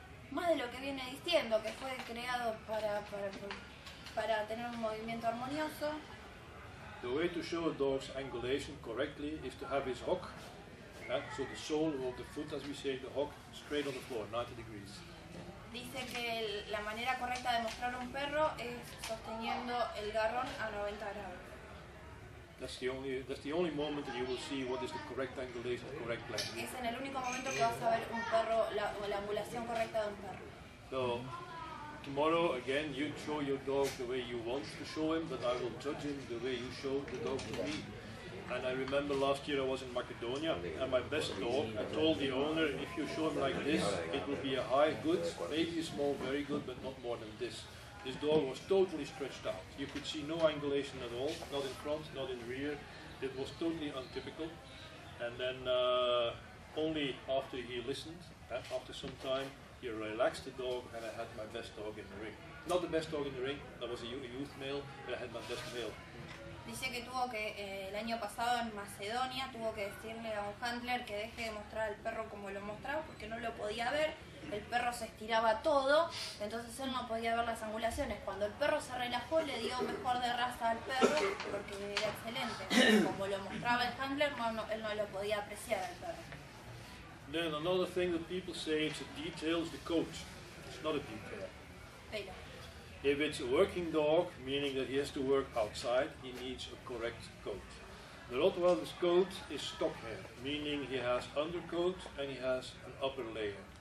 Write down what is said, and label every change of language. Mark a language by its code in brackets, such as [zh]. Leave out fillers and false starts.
[es] Más de lo que viene diciendo, que fue creado para tener un movimiento armonioso. [en] The way to show a dog's angulation correctly is to have his hock, so the sole of the foot, as we say, the hock, straight on the floor, 90 degrees. [es] Dice que la manera correcta de mostrar un perro es sosteniendo el garrón a 90 grados. [en] That's the only moment that you will see what is the correct angulation, the correct length. [es] Es en el único momento que vas a ver un perro la angulación correcta de un perro. [en] So, tomorrow again you show your dog the way you want to show him, but I will judge him the way you show the dog to me. And I remember last year I was in Macedonia, and my best dog, I told the owner, if you show him like this, it will be a high good, maybe a small very good, but not more than this. This dog was totally stretched out. You could see no angulation at all, not in front, not in rear. It was totally untypical. And then only after he listened, after some time, he relaxed the dog, and I had my best dog in the ring. Not the best dog in the ring, that was a youth male, but I had my best male. [es] Dice que tuvo que, el año pasado en Macedonia, tuvo que decirle a un handler que deje de mostrar al perro como lo mostraba porque no lo podía ver, el perro se estiraba todo, entonces él no podía ver las angulaciones. Cuando el perro se relajó le dio mejor de raza al perro porque era excelente. Como lo mostraba el handler, él no lo podía apreciar al perro. [en] Then another thing that people say is the details, the coach. It's not a detail. [es] Pero. [en] If it's a working dog, meaning that he has to work outside, he needs a correct coat. The Rottweiler's coat is stock hair, meaning he has undercoat and he has an upper layer.